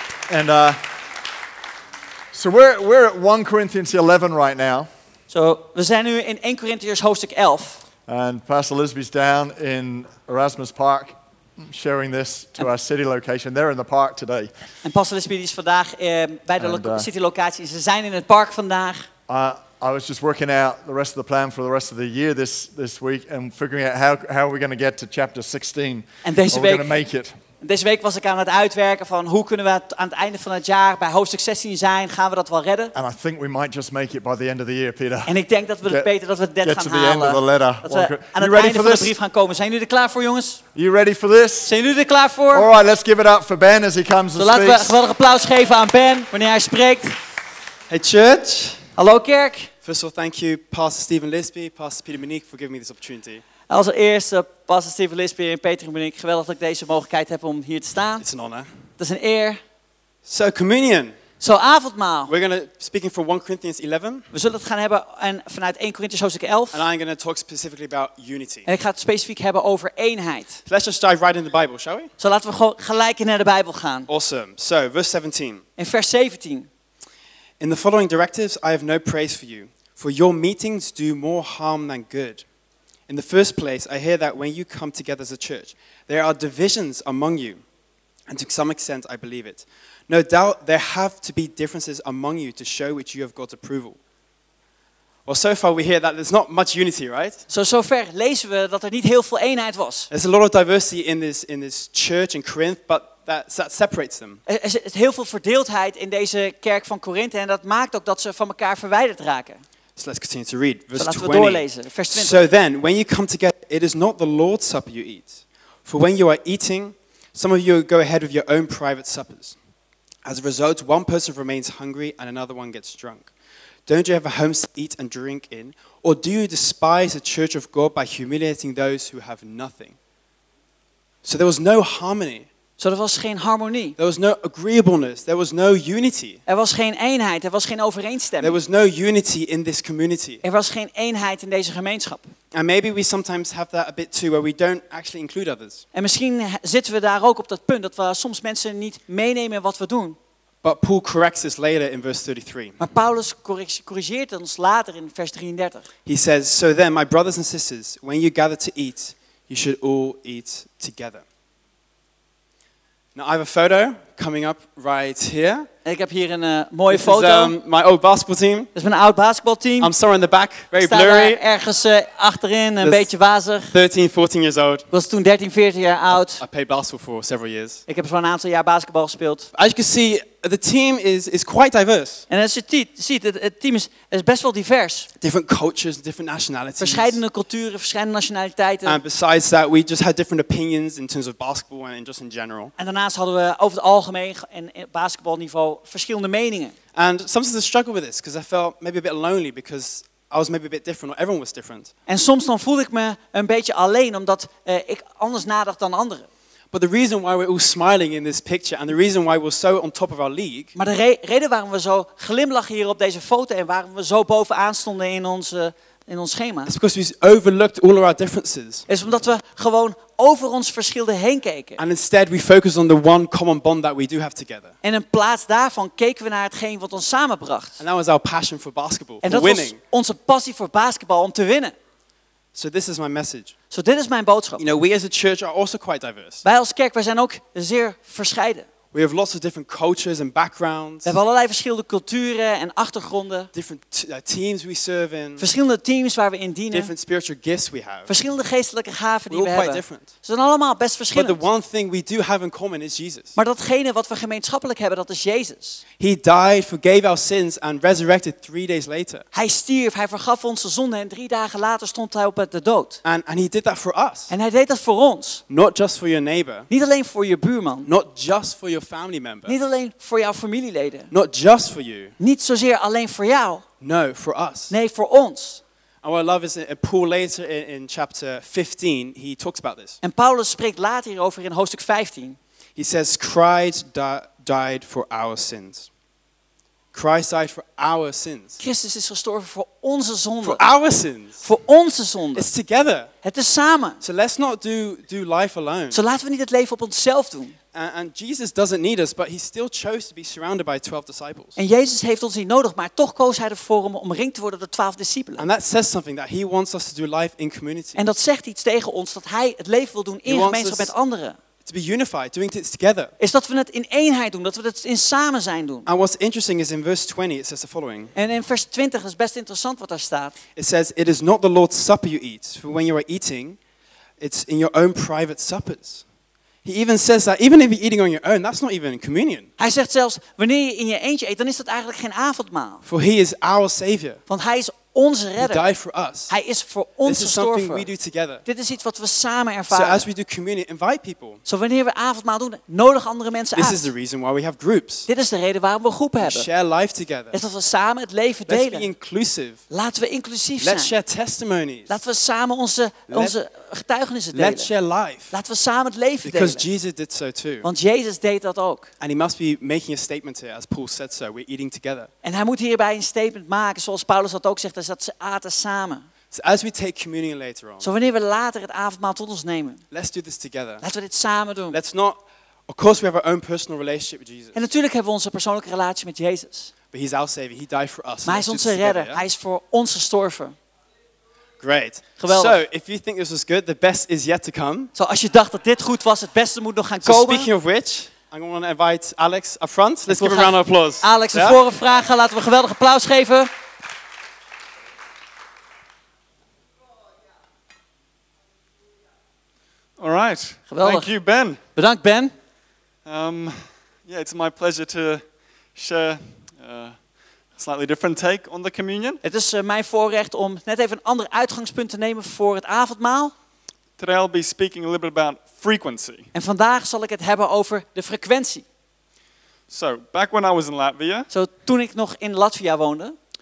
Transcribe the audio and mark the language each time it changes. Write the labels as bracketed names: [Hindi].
[English] And so we're at 1 Corinthians 11 right now. [Dutch] So we zijn nu in 1 Corinthians hoofdstuk 11. [English] And Pastor Lisby's down in Erasmus Park. Sharing this to our city location. They're in the park today. [Dutch] En Pastor Lisby is vandaag bij de city locatie. Ze zijn in het park vandaag. [English] I was just working out the rest of the plan for the rest of the year this week and figuring out how are we going to get to chapter 16. [Dutch] En deze week. [English] Are we going to make it? [Dutch] Deze week was ik aan het uitwerken van hoe kunnen we aan het einde van het jaar bij hoofdstuk 16 zijn. Gaan we dat wel redden? [English] And I think we might just make it by the end of the year, Peter. [Dutch] En ik denk dat we het beter dat we dit gaan [English] to [Dutch] halen. [English] The end of the letter. [Dutch] Dat we aan het einde van de brief gaan komen. Zijn jullie er klaar voor, jongens? [English] You ready for this? [Dutch] Zijn jullie er klaar voor? [English] All right, let's give it up for Ben as he comes and [Dutch] laten we een geweldig applaus geven aan Ben wanneer hij spreekt. [English] Hey church. [Dutch] Hallo kerk. [English] First of all, thank you Pastor Stephen Lisby, Pastor Peter Monique for giving me this opportunity. [Dutch] Als eerste, Pastor Steven Lisby en Peter en ik, geweldig dat ik deze mogelijkheid heb om hier te staan. [English] It's an honor. [Dutch] Het is een eer. [English] So communion. [Dutch] Zo avondmaal. [English] We're going to speaking from 1 Corinthians 11. [Dutch] We zullen het gaan hebben en vanuit 1 Corinthians hoofdstuk 11. [English] And I'm going to talk specifically about unity. [Dutch] En ik ga het specifiek hebben over eenheid. [English] So let's just dive right in the Bible, shall we? [Dutch] Zo laten we gelijk naar de Bijbel gaan. [English] Awesome. So verse 17. [Dutch] In vers 17. [English] In the following directives, I have no praise for you, for your meetings do more harm than good. In the first place, I hear that when you come together as a church, there are divisions among you, and to some extent, I believe it. No doubt, there have to be differences among you to show which you have got approval. Well, so far we hear that there's not much unity, right? [Dutch] Zover lezen we dat er niet heel veel eenheid was. [English] There's a lot of diversity in this church in Corinth, but that separates them. [Dutch] Er is heel veel verdeeldheid in deze kerk van Corinthe, en dat maakt ook dat ze van elkaar verwijderd raken. [English] So let's continue to read. Verse 20. [Dutch] Laten we doorlezen. Vers 20. [English] So then, when you come together, it is not the Lord's supper you eat. For when you are eating, some of you go ahead with your own private suppers. As a result, one person remains hungry and another one gets drunk. Don't you have a home to eat and drink in? Or do you despise the church of God by humiliating those who have nothing? So there was no harmony. [Dutch] Zo, er was geen harmonie. [English] There was no agreeableness. There was no unity. [Dutch] Er was geen eenheid. Er was geen overeenstemming. [English] There was no unity in this community. [Dutch] Er was geen eenheid in deze gemeenschap. [English] And maybe we sometimes have that a bit too, where we don't actually include others. [Dutch] En misschien zitten we daar ook op dat punt dat we soms mensen niet meenemen in wat we doen. [English] But Paul corrects us later in verse 33. [Dutch] Maar Paulus corrigeert ons later in vers 33. [English] He says, "So then, my brothers and sisters, when you gather to eat, you should all eat together." Now I have a photo coming up right here. [Dutch] Ik heb hier een mooie foto. [English] This is my old basketball team. [Dutch] Dat is mijn oud basketbalteam. [English] I'm sorry in the back, very blurry. [Dutch] Staan daar ergens achterin, een beetje wazig. [English] 13, 14 years old. [Dutch] Was toen 13, 14 jaar oud. [English] I played basketball for several years. [Dutch] Ik heb voor een aantal jaar basketbal gespeeld. [English] As you can see, the team is quite diverse. [Dutch] En als je ziet, het team is best wel divers. [English] Different cultures, different nationalities. [Dutch] Verschillende culturen, verschillende nationaliteiten. [English] And besides that, we just had different opinions in terms of basketball and just in general. [Dutch] En daarnaast hadden we over het algemeen en basketbalniveau verschillende meningen. [English] And sometimes I struggled with this because I felt maybe a bit lonely because I was maybe a bit different or everyone was different. [Dutch] En soms dan voelde ik me een beetje alleen omdat ik anders nadacht dan anderen. [English] But the reason why we're all smiling in this picture and the reason why we're so on top of our league. [Dutch] Maar de reden waarom we zo glimlachen hier op deze foto en waarom we zo bovenaan stonden in ons schema. [English] It's because we overlooked all of our differences. [Dutch] Is omdat we gewoon over ons verschillen heen keken. [English] And instead we focus on the one common bond that we do have together. [Dutch] En in plaats daarvan keken we naar hetgeen wat ons samenbracht. [English] And that was our passion for basketball, [Dutch] en [English] for winning. [Dutch] En dat was onze passie voor basketbal om te winnen. [English] So this is my message. [Dutch] So dit is mijn boodschap. [English] You know, we as a church are also quite diverse. [Dutch] Wij als kerk, wij zijn ook zeer verscheiden. [English] We have lots of different cultures and backgrounds. [Dutch] We hebben allerlei verschillende culturen en achtergronden. [English] Different teams we serve in. [Dutch] Verschillende teams waar we in dienen. [English] Different spiritual gifts we have. [Dutch] Verschillende geestelijke gaven die we hebben. [English] We're quite different. [Dutch] Ze zijn allemaal best verschillend. [English] But the one thing we do have in common is Jesus. [Dutch] Maar datgene wat we gemeenschappelijk hebben, dat is Jezus. [English] He died, forgave our sins and resurrected 3 days later. [Dutch] Hij stierf, hij vergaf onze zonden en 3 dagen later stond hij op de dood. [English] And he did that for us. [Dutch] En hij deed dat voor ons. [English] Not just for your neighbor. [Dutch] Niet alleen voor je buurman. [English] Not just for your family member. [Dutch] Niet alleen voor jouw familieleden. [English] Not just for you. [Dutch] Niet zozeer alleen voor jou. [English] No, for us. [Dutch] Nee, voor ons. [English] And what I love is that Paul later in chapter 15, he talks about this. [Dutch] En Paulus spreekt later hierover in hoofdstuk 15. [English] He says, Christ died for our sins. Christ died for our sins. [Dutch] Christus is gestorven voor onze zonden. [English] For our sins. [Dutch] Voor onze zonden. [English] It's together. [Dutch] Het is samen. [English] So let's not do life alone. [Dutch] Zo laten we niet het leven op onszelf doen. [English] And Jesus doesn't need us, but he still chose to be surrounded by 12 disciples. [Dutch] En Jezus heeft ons niet nodig, maar toch koos hij ervoor om omringd te worden door 12 discipelen. [English] And that says something that he wants us to do life in community. [Dutch] En dat zegt iets tegen ons dat hij het leven wil doen in gemeenschap met anderen. [English] To be unified, doing things together. [Dutch] Is dat we het in eenheid doen, dat we het in samen zijn doen. [English] And what's interesting is in verse 20 it says the following. [Dutch] En in vers 20 is best interessant wat daar staat. [English] It says, it is not the Lord's supper you eat, for when you are eating, it's in your own private suppers. He even says that even if you're eating on your own, that's not even communion. [Dutch] Hij zegt zelfs wanneer je in je eentje eet, dan is dat eigenlijk geen avondmaal. [English] For he is our savior. [Dutch] Want hij is onze redder. [English] He died for us. [Dutch] Hij is voor ons gestorven. [English] This is something we do together. [Dutch] Dit is iets wat we samen ervaren. [English] So as we do communion, invite people. [Dutch] Zo wanneer we avondmaal doen, nodig andere mensen [English] this [Dutch] uit. [English] This is the reason why we have groups. [Dutch] Dit is de reden waarom we groepen we hebben. [English] Share life together. [Dutch] Is dat we samen het leven delen. [English] Let's be inclusive. [Dutch] Laten we inclusief [English] let's [Dutch] zijn. [English] Let's share testimonies. [Dutch] Laten we samen onze getuigenissen delen. [English] Let's share life. [Dutch] Laten we samen het leven [English] because Because Jesus did so too. [Dutch] Want Jezus deed dat ook. [English] And he must be making a statement here, as Paul said so. We're eating together. [Dutch] En hij moet hierbij een statement maken, zoals Paulus dat ook zegt. Is dat ze aten samen. [English] So as we take communion later on, [Dutch] zo wanneer we later het avondmaal tot ons nemen. [English] Let's do this together. [Dutch] Laten we dit samen doen. [English] Let's not, of course we have our own personal relationship with Jesus. [Dutch] En natuurlijk hebben we onze persoonlijke relatie met Jezus. [English] But he's our savior. He died for us. [Dutch] Maar hij is onze redder. Hij is voor ons gestorven. [English] Great. [Dutch] Geweldig. [English] So if you think this was good, the best is yet to come. [Dutch] Zo als je dacht dat dit goed was, het beste moet nog gaan komen. [English] So speaking of which, I'm going to invite Alex up front. Let's give him a round of applause. Alex, yeah? [Dutch] Voor een vraag, laten we een geweldig applaus geven. [English] All right. [Dutch] Geweldig. [English] Thank you, Ben. [Dutch] Bedankt, Ben. [English] Yeah, it's my pleasure to share slightly different take on the communion. [Dutch] Het is mijn voorrecht om net even een ander uitgangspunt te nemen voor het avondmaal. [English] Today I'll be speaking a little bit about frequency. [Dutch] En vandaag zal ik het hebben over de frequentie. [English] So, back when I was in Latvia. [Dutch] Zo, toen ik nog in Latvia woonde.